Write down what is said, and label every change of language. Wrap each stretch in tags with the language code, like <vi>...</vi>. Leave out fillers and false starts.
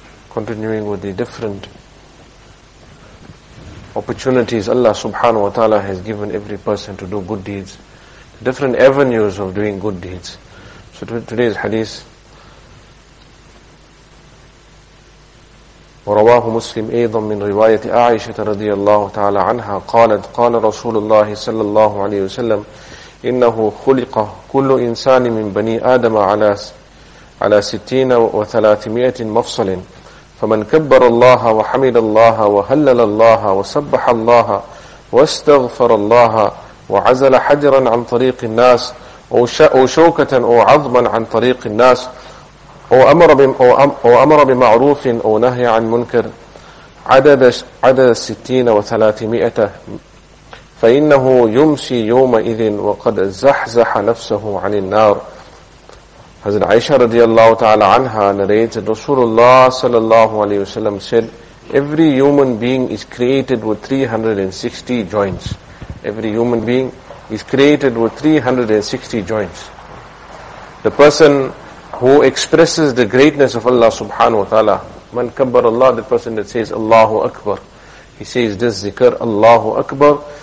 <en>Continuing with the different opportunities Allah subhanahu wa ta'ala has given every person to do good deeds, different avenues of doing good deeds. So today's hadith,</en> <ar>ورواه مسلم أيضا من رواية عائشة رضي الله تعالى عنها قالت قال رسول الله صلى الله عليه وسلم إنه خلق كل إنسان من بني آدم على 60 و300 مفصل فمن كبر الله وحمد الله وهلل الله وسبح الله واستغفر الله وعزل حجرا عن طريق الناس أو شوكة أو عظما عن طريق الناس أو أمر بمعروف أو نهي عن منكر عدد 60 و300 فإنه يمشي يومئذ وقد زحزح نفسه عن النار.</ar> <en>Hazrat Aisha radiallahu ta'ala anha narrated, Rasulullah sallallahu alayhi wa sallam said, every human being is created with 360 joints. Every human being is created with 360 joints. The person who expresses the greatness of Allah subhanahu wa ta'ala, man kabbar Allah, the person that says Allahu Akbar, he says this zikr, Allahu Akbar.</en>